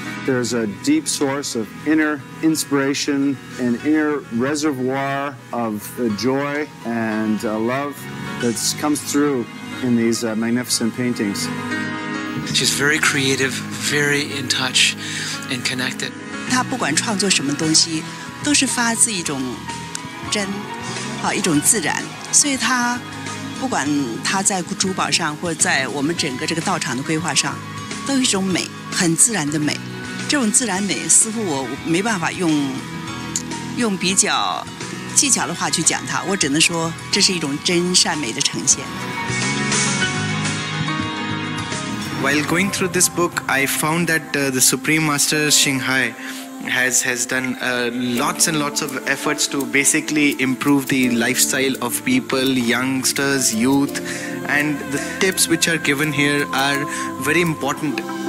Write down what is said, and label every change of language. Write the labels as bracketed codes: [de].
[en] There's a deep source of inner inspiration, an inner reservoir of joy and love. That comes through in these magnificent paintings. She's very creative, very in touch and connected. [zh] 她不管创作什么东西，都是发自一种真，好一种自然。所以她不管她在珠宝上或者在我们整个这个道场的规划上，都有一种美，很自然的美。这种自然美似乎我没办法用比较。技巧的话去讲它，我只能说这是一种真善美的呈现。 [en] While going through this book, I found that the Supreme Master Qinghai has done lots and lots of efforts to basically improve the lifestyle of people, youngsters, youth, and the tips which are given here are very important.